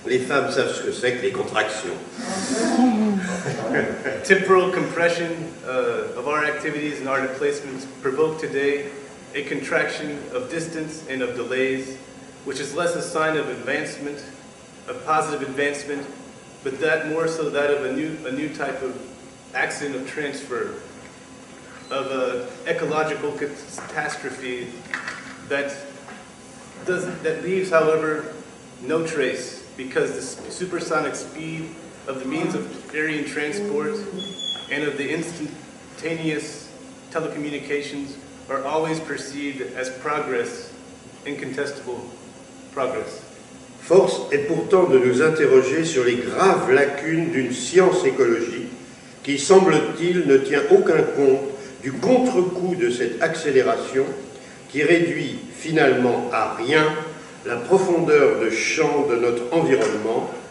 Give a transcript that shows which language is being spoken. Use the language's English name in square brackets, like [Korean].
[French] Les femmes savent ce que c'est que les contractions. [English] Temporal compression of our activities and our displacements provoke today a contraction of distance and of delays, which is less a sign of advancement, of positive advancement, but that more so that of a new type of accident of transfer, of a ecological catastrophe that leaves, however, no trace, because the supersonic speed of the means of aerial transport and of the instantaneous telecommunications are always perceived as progress, incontestable progress. [French] Force est pourtant de nous interroger sur les graves lacunes d'une science écologique qui, semble-t-il, ne tient aucun compte du contre-coup de cette accélération qui réduit finalement à rien la profondeur de champ de notre environnement